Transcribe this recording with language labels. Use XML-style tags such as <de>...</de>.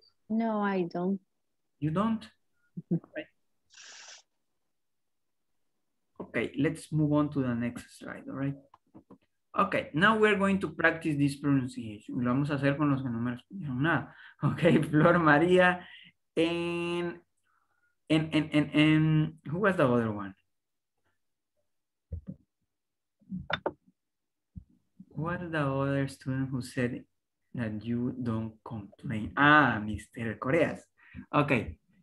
<en>No, I don't. You don't? Okay, let's move on to the next slide, all right? Okay, now we're going to practice this pronunciation.</en> <es>Lo vamos a hacer con los que no me respondieron nada.</es> <en>Okay, Flor María, and who was the other one? What is the other student who said it? That you don't complain. Ah, Mr. Coreas. Okay.</en>